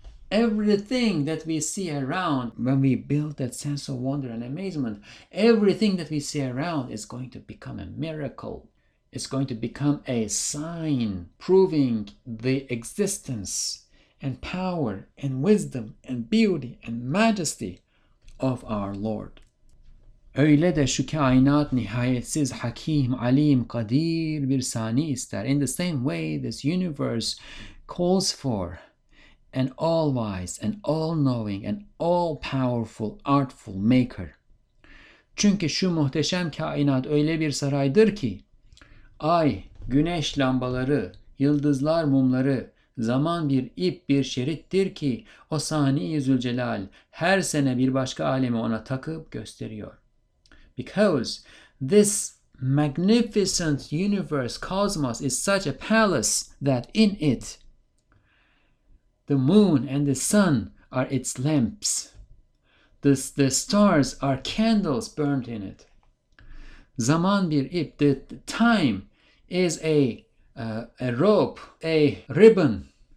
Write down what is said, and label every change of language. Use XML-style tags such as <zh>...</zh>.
<en>Everything that we see around, when we build that sense of wonder and amazement, everything that we see around is going to become a miracle. It's going to become a sign proving the existence and power and wisdom and beauty and majesty of our Lord.</en> <tr>Öyle de şu kainat nihayetsiz, hakim, alim, kadir bir sani ister.</tr> <en>In the same way, this universe calls for an all-wise, an all-knowing, an all-powerful, artful maker.</en> <tr>Çünkü şu muhteşem kainat öyle bir saraydır ki, ay, güneş lambaları, yıldızlar mumları, zaman bir ip, bir şerittir ki, o sani-i zülcelal her sene bir başka alemi ona takıp gösteriyor.</tr> <en>Because this magnificent universe, cosmos, is such a palace that in it, the moon and the sun are its lamps. The stars are candles burnt in it.</en> <tr>Zaman bir ip,</tr> <en>the time is a rope, a ribbon.</en>